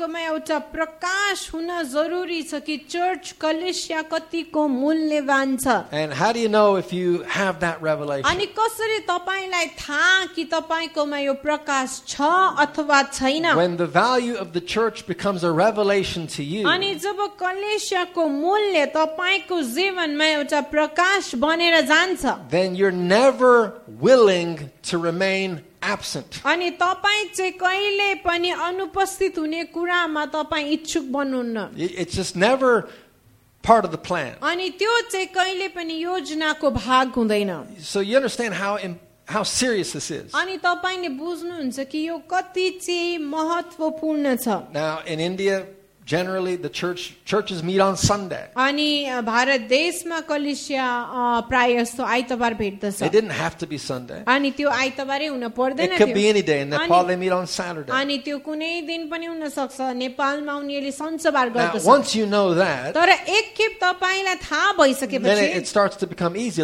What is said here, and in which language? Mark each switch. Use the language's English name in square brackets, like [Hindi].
[English] And how do you know if you have that revelation? When the value of the church becomes a revelation to you, then you're never willing to remain absent. [Nepali] अनि तपाईं चाहिँ कहिले पनि अनुपस्थित हुने कुरामा तपाईं इच्छुक बन्नुन्न. [English] It's just never part of the plan. [Nepali] अनि त्यो चाहिँ कहिले पनि योजनाको भाग हुँदैन. [English] So you understand how serious this is. [Nepali] अनि तपाईंले बुझ्नुहुन्छ कि यो कति चाहिँ महत्त्वपूर्ण छ. [English] Now in India, generally, the churches meet on Sunday. It didn't have to be Sunday. It could be any day. In Nepal, they meet on Saturday. Now, once you know that, then it starts to become easy.